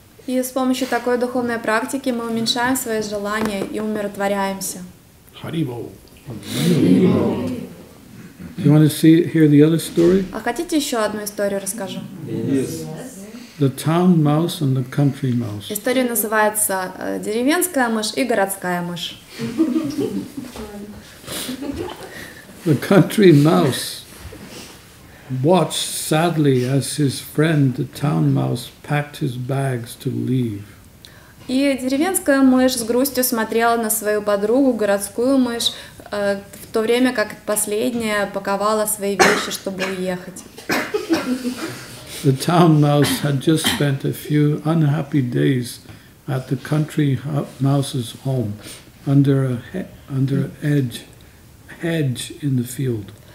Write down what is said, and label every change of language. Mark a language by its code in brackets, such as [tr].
[ru] И с помощью такой духовной практики мы уменьшаем свои желания и умиротворяемся. [sa] Hari Bol. [en] Do you want to hear the other story? [ru] А хотите еще одну историю расскажу? [en] Yes. The town mouse and the country mouse. [ru] История называется «Деревенская мышь и городская мышь». [en] The country mouse watched sadly as his friend the town mouse packed his bags to leave. [ru] И деревенская мышь с грустью смотрела на свою подругу городскую мышь. В то время как последняя паковала свои вещи, чтобы уехать. [en] The town mouse had just spent a few unhappy days at the country mouse's home under a hedge in the field.